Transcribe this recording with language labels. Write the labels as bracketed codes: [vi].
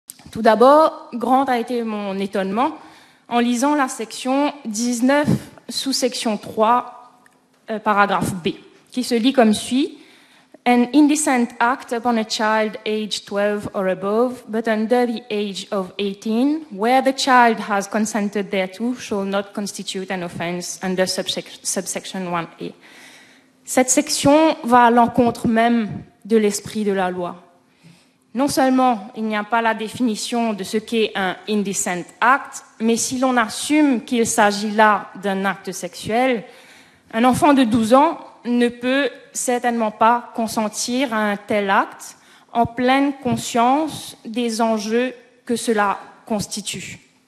[fr] Tout d'abord, grand a été mon étonnement en lisant la section 19, sous-section 3, paragraphe B, qui se lit comme suit. [en] An indecent act upon a child aged 12 or above, but under the age of 18, where the child has consented thereto, shall not constitute an offense under subsection 1A. [fr] Cette section va à l'encontre même de l'esprit de la loi. Non seulement il n'y a pas la définition de ce qu'est un indecent act, mais si l'on assume qu'il s'agit là d'un acte sexuel, un enfant de 12 ans ne peut certainement pas consentir à un tel acte en pleine conscience des enjeux que cela constitue.